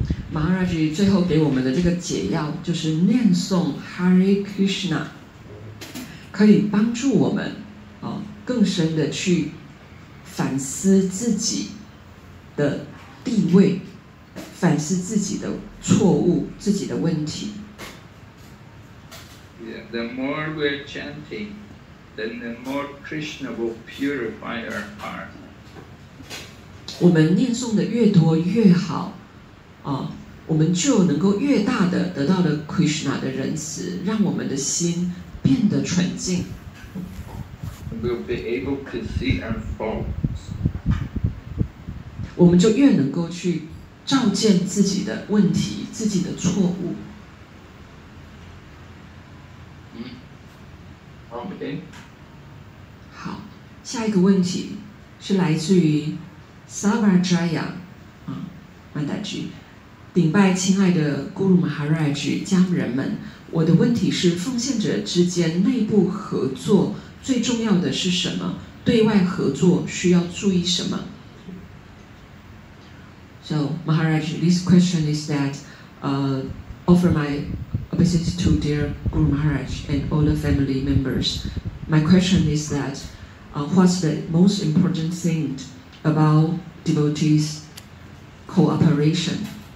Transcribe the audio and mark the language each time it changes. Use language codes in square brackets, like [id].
[zh] Maharaj 最后给我们的这个解药，就是念诵 Hare Krishna 可以帮助我们更深的去反思自己的地位，反思自己的错误、自己的问题。 [en] Yeah, the more we're chanting, then the more Krishna will purify our heart. [zh] 我们念诵的越多越好我们就能够越大的得到了 Krishna 的仁慈，让我们的心变得纯净。 [en] We'll be able to see our faults. [zh] 我们就越能够去照见自己的问题、自己的错误。 [en] Okay. [zh] 好，下一个问题是来自于 Savajaya 曼达吉。顶拜亲爱的 Guru Maharaj 家人们，我的问题是奉献者之间内部合作最重要的是什么？对外合作需要注意什么？ [en] So Maharaj, this question is that offer my obeisance to dear Guru Maharaj and all the family members. My question is that what's the most important thing about devotees cooperation?